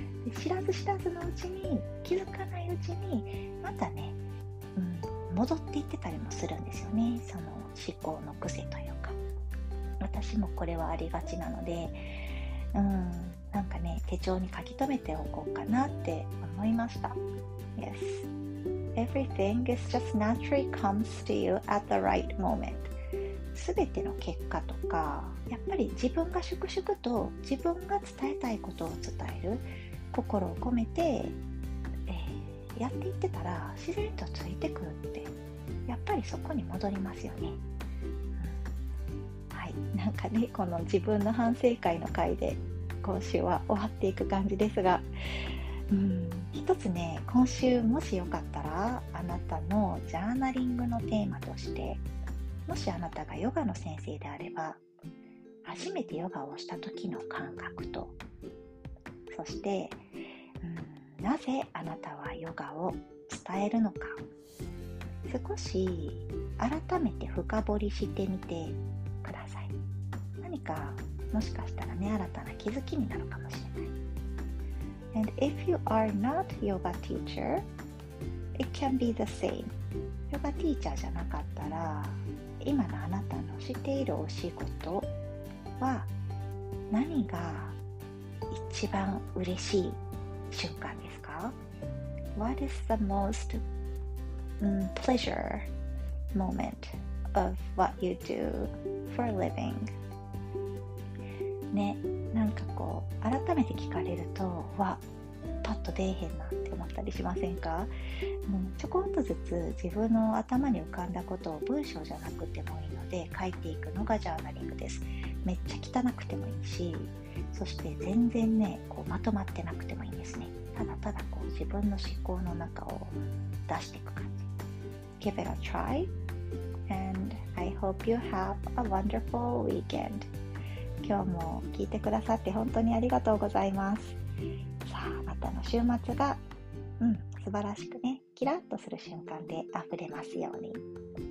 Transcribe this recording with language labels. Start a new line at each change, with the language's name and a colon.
Japanese: で、知らず知らずのうちに、気づかないうちにまたね、戻っていってたりもするんですよね。その思考の癖というか、私もこれはありがちなので、なんかね、手帳に書き留めておこうかなって思いました。
English: YesEverything is just naturally comes to you at the right moment.
Japanese: 全ての結果とか、やっぱり自分が粛々と自分が伝えたいことを伝える心を込めて、やっていってたら自然とついてくるって、やっぱりそこに戻りますよね。はい、なんかね、この自分の反省会の回で今週は終わっていく感じですが、一つね、今週もしよかったらあなたのジャーナリングのテーマとして、もしあなたがヨガの先生であれば、初めてヨガをした時の感覚と、そして、なぜあなたはヨガを伝えるのか、少し改めて深掘りしてみてください。何かもしかしたらね、新たな気づきになるかもしれない。
English: And if you are not yoga teacher, it can be the same.
Japanese: ヨガティーチャーじゃなかったら、今のあなたのしているお仕事は何が一番嬉しい瞬間ですか？
English: What is the most pleasure moment of what you do for a living?
Japanese: ね、なんかこう改めて聞かれると、わっ、パッと出えへんなって思ったりしませんか？ちょこっとずつ自分の頭に浮かんだことを文章じゃなくてもいいので書いていくのがジャーナリングです。めっちゃ汚くてもいいし、そして全然ね、こうまとまってなくてもいいんですね。ただただこう自分の思考の中を出していく感じ。
English: Give it a try and I hope you have a wonderful weekend.
Japanese: 今日も聞いてくださって本当にありがとうございます。またの週末が、素晴らしくね、キラッとする瞬間で溢れますように。